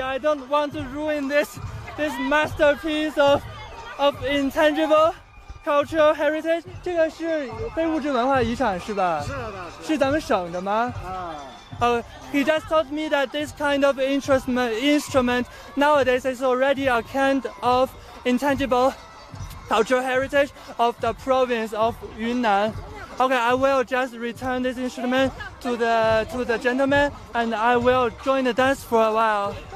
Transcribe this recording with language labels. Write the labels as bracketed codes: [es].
[en] I don't want to ruin this masterpiece of intangible cultural heritage. [zh] 这个是非物质文化遗产是吧？是的。是咱们省的吗？啊。 [en] He just told me that this kind of instrument nowadays is already a kind of intangible cultural heritage of the province of Yunnan. Okay, I will just return this instrument to the gentleman, and I will join the dance for a while.